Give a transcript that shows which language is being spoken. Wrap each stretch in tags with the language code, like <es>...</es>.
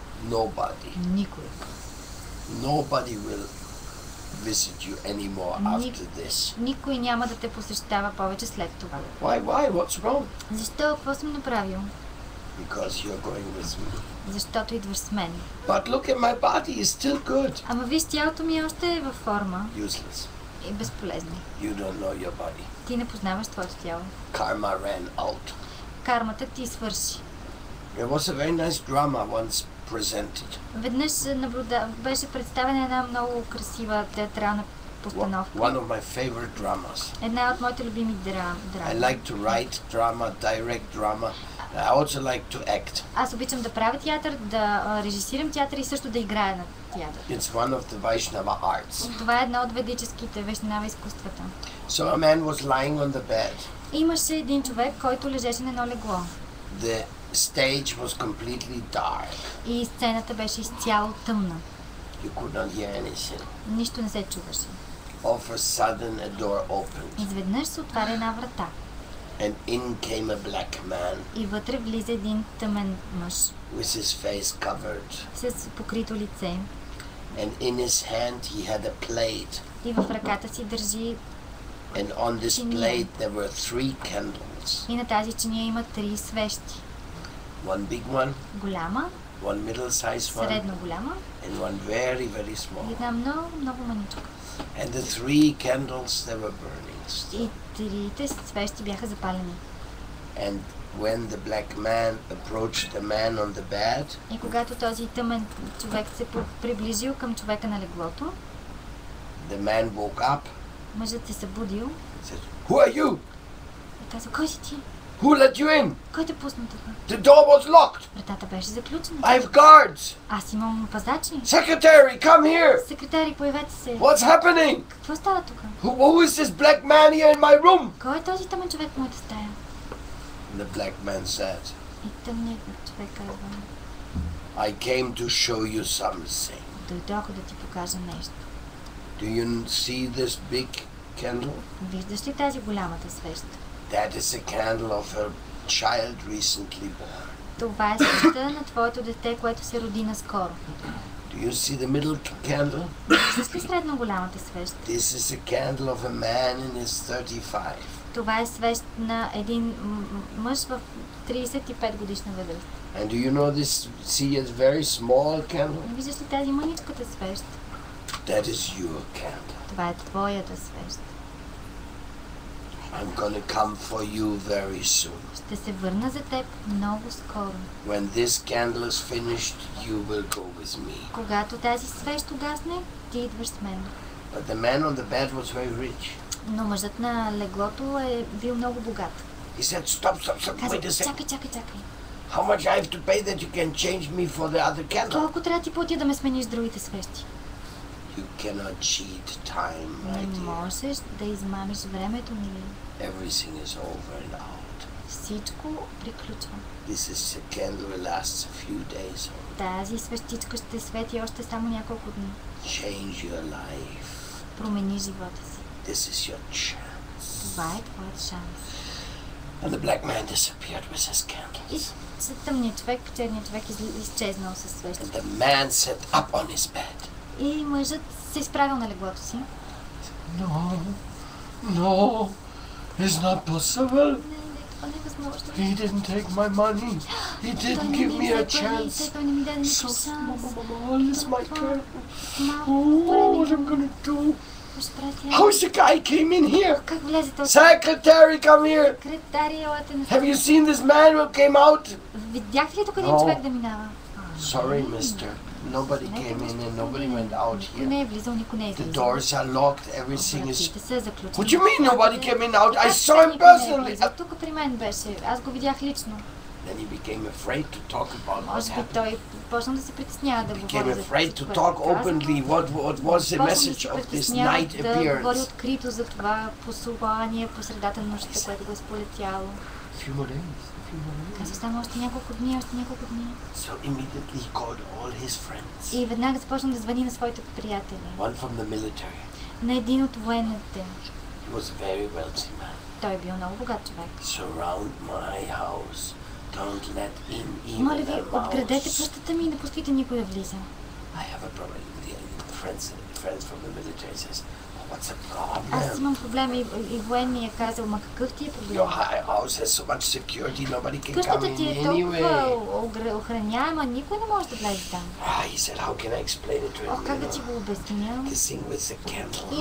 <en>Nobody.</en> <bg>Никой.</bg> <en>Nobody will visit you anymore after this.</en> <bg>Никой няма да те посещава повече след това.</bg> <en>Why? What's wrong?</en> <bg>Защо? Какво съм направил?</bg> <en>Because you're going with me.</en> <bg>Защото идваш с мен.</bg> <en>But look at my body, it's still good.</en> <bg>Ама виж, тялото ми още е във форма.</bg> <en>Useless.</en> <bg>И безполезни.</bg> <en>You don't know your body.</en> <bg>Ти не познаваш твоето тяло.</bg> <en>Karma ran out.</en> <bg>Кармата ти свърши.</bg> <en>There was a very nice drama once presented.</en> <bg>Веднъж беше представена една много красива театрална постановка.</bg> <en>One of my favorite dramas.</en> <bg>Една от моите любими драми.</bg> <en>I like to write drama, direct drama. I also like to act.</en> <bg>Аз обичам да правя театър, да режисирам театър и също да играя на театър.</bg> <en>It's one of the Vaishnava arts.</en> <bg>Това е една от ведическите Вайшнава изкуствата.</bg> <en>So a man was lying on the bed.</en> <bg>Имаше един човек, който лежеше на едно легло.</bg> <en>The stage was completely dark.</en> <bg>И сцената беше изцяло тъмна.</bg> <en>You could not hear anything.</en> <bg>Нищо не се чуваше.</bg> <en>All of a sudden a door opened.</en> <bg>Изведнъж се отваря една врата.</bg> <en>And in came a black man.</en> <bg>И вътре влиза един тъмен мъж.</bg> <en>With his face covered.</en> <bg>С покрито лице.</bg> <en>And in his hand he had a plate.</en> <bg>И в ръката си държи.</bg> <en>And on this plate there were three candles.</en> <bg>И на тази чиния има три свещи.</bg> <en>One big one.</en> <bg>Голяма.</bg> <en>One middle size one.</en> <bg>Средно голяма.</bg> <en>And one very very small.</en> <bg>Една много маничка.</bg> <en>And the three candles they were burning.</en> <bg>Трите свещи бяха запалени.</bg> <en>And when the black man approached the man on the bed.</en> <bg>И когато този тъмен човек се приближил към човека на леглото.</bg> <en>The man woke up.</en> <bg>Мъжът се събудил.</bg> <en>Said, "Who are you?"</en> <bg>И каза, "Кой си ти?"</bg> <en>Who let you in?</en> <bg>Кой те пусна тук?</bg> <en>The door was locked.</en> <bg>Вратата беше заключена.</bg> <en>I have guards.</en> <bg>Аз имам пазачи.</bg> <en>Secretary, come here.</en> <bg>Секретари, появете се.</bg> <en>What's happening?</en> <bg>Какво става тук?</bg> <en>Who is this black man here in my room?</en> <bg>Кой е този тъмен човек в моята стая?</bg> <en>The black man said.</en> <bg>И тъмният човек казва.</bg> <en>I came to show you something.</en> <bg>Дойдох да ти покажа нещо.</bg> <en>Do you see this big candle?</en> <bg>Виждаш ли тази голямата свеща?</bg> <en>That is a candle of her child recently born.</en> <bg>Това е свеща на твоето дете, което се роди наскоро.</bg> <en>Do you see the middle candle?</en> <bg>Виждаш ли средно голямата свеща?</bg> <en>This is a candle of a man in his 35.</en> <bg>Това е свеща на един мъж в 35 годишна възраст.</bg> <en>And do you know this? See, it's very small candle.</en> <bg>Виждаш ли тази мъничката свеща?</bg> <en>That is your candle.</en> <bg>Това е твоята свеща.</bg> <en>I'm gonna come for you very soon.</en> <bg>Ще се върна за теб много скоро.</bg> <en>When this candle is finished, you will go with me.</en> <bg>Когато тази свещ угасне, ти идваш с мен.</bg> <en>But the man on the bed was very rich.</en> <bg>Но мъжът на леглото е бил много богат.</bg> <en>He said, stop, wait a second.</en> <bg>Чакай.</bg> <en>How much I have to pay that you can change me for the other candle?</en> <bg>Колко трябва ти платя да ме смениш другите свещи?</bg> <en>You cannot cheat time, my dear.</en> <bg>Не можеш да измамиш времето, мили.</bg> <en>Everything is over and out.</en> <bg>Всичко приключва.</bg> <en>This is a candle that lasts a few days.</en> <bg>Тази свещичка ще свети още само няколко дни.</bg> <en>Change your life.</en> <bg>Промени живота си.</bg> <en>This is your chance.</en> <bg>Това е твоят шанс.</bg> <en>And the black man disappeared with his candles.</en> <bg>И тъмният човек, черният човек изчезнал със свещите.</bg> <en>And the man sat up on his bed.</en> <bg>И мъжът се изправил на леглото си.</bg> <en>No, it's not possible. He didn't take my money. He didn't give me a chance. So small is my curtain. What am I going to do? How is the guy came in here? Secretary, come here. Have you seen this man who came out? No. Sorry, mister. Nobody came in and nobody went out here. The doors are locked, everything is... What do you mean nobody came in out? I saw him personally! Then he became afraid to talk about what happened. He became afraid to talk openly what was the message of this night appearance. A few more days.</en> <bg>Казва, само още няколко дни.</bg> <en>So immediately he called all his friends.</en> <bg>И веднага започна да звъни на своите приятели.</bg> <en>One from the military.</en> <bg>На един от военните.</bg> <en>He was a very wealthy man.</en> <bg>Той бил много богат човек.</bg> <en>Surround my house. Don't let in even a mouse.</en> <bg>Обградете пръстата ми и не пускайте никой да влиза.</bg> <en>I have a problem. The friends from the military says, what's the problem?</en> <bg>Аз имам проблем и военния казал, ма какъв ти е проблем?</bg> <en>Your high house has so much security, nobody can</en> <bg>Къщата</bg> <en>come in anyway.</en> <bg>Къщата ти е толкова охраняема, никой не може да влезе там.</bg> <en>He said, how can I explain it to him?</en> <bg>Как да ти го обясня?</bg> <en>This thing with the candle.</en>